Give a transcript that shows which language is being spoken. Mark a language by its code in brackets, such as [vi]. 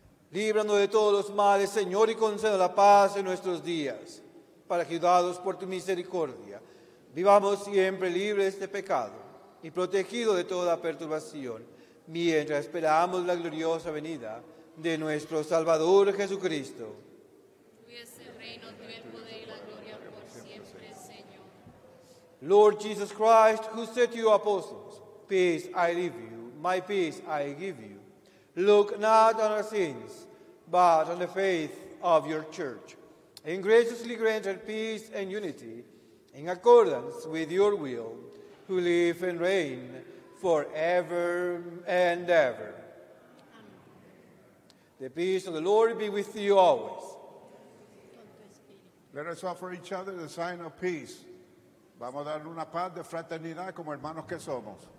[es] Líbranos de todos los males, Señor, y concede la paz en nuestros días, para que, ayudados por tu misericordia, vivamos siempre libres de pecado y protegidos de toda perturbación, mientras esperamos la gloriosa venida de nuestro Salvador Jesucristo. [en] Lord Jesus Christ, who said to your apostles, "Peace I leave you, my peace I give you," look not on our sins, but on the faith of your church, and graciously grant her peace and unity in accordance with your will, who live and reign forever and ever. The peace of the Lord be with you always. Let us offer each other the sign of peace. [es] Vamos a darle una paz de fraternidad como hermanos que somos.